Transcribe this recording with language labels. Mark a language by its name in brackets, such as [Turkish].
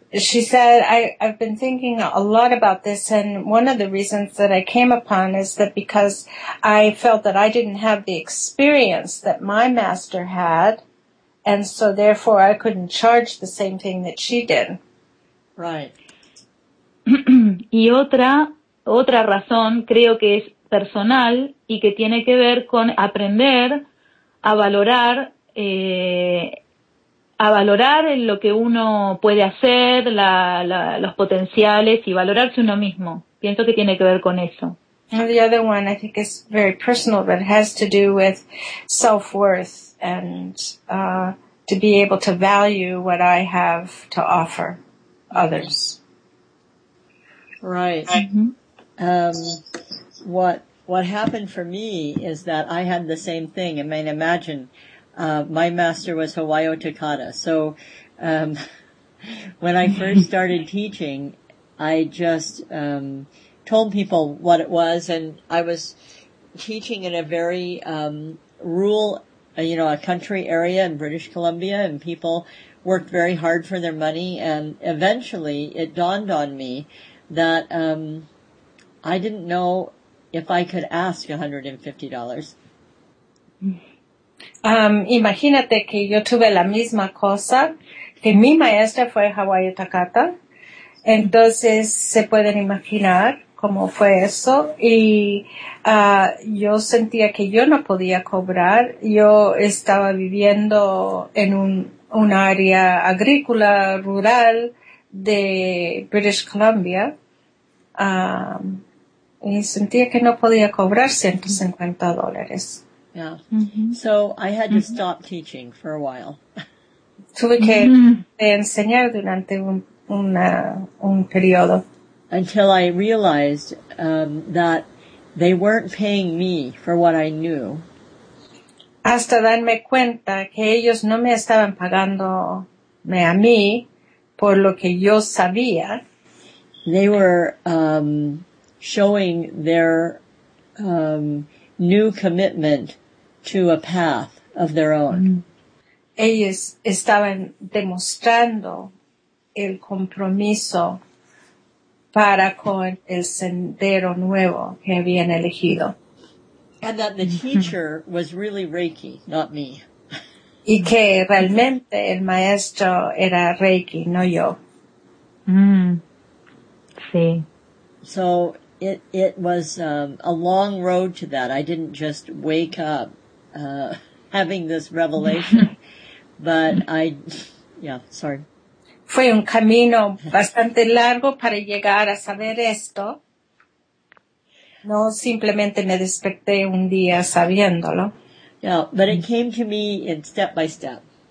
[English] She said, I've been thinking a lot about this, and one of the reasons that I came upon is that because I felt that I didn't have the experience that my master had, and so therefore I couldn't charge the same thing that she did. Right. [Spanish] Y otra razón creo que es personal y que tiene que ver con aprender a valorar lo que uno puede hacer, los potenciales, y valorarse uno mismo. Pienso que tiene que ver con eso. [English] And the other one I think is very personal, but it has to do with self-worth and to be able to value what I have to offer others. Right. Mm-hmm. What happened for me is that I had the same thing. I mean, imagine... my master was Hawaiio Takata. So when I first started teaching, I just told people what it was, and I was teaching in a very rural, you know, a country area in British Columbia, and people worked very hard for their money, and eventually it dawned on me that I didn't know if I could ask $150. [Spanish] Imagínate que yo tuve la misma cosa, que mi maestra fue Hawaii Takata. Entonces se pueden imaginar cómo fue eso. Y yo sentía que yo no podía cobrar. Yo estaba viviendo en un área agrícola rural de British Columbia. Y sentía que no podía cobrar $150. [English] Yeah. Mm-hmm. So I had to stop teaching for a while. [Spanish] Tuve que enseñar durante un periodo. [English] Until I realized that they weren't paying me for what I knew. [Spanish] Hasta darme cuenta que ellos no me estaban pagando a mí por lo que yo sabía. [English] They were showing their new commitment to a path of their own. [Spanish] Ellos estaban demostrando el compromiso para con el sendero nuevo que habían elegido. [English] And that the teacher was really Reiki, not me. [Spanish] Y que realmente el maestro era Reiki, no yo. Mm. Sí. [English] So it was a long road to that. I didn't just wake up having this revelation, but I, yeah, sorry. [Spanish] Fue un camino bastante largo para llegar a saber esto. No simplemente me desperté un día sabiéndolo. [English] Yeah, but it came to me in step by step.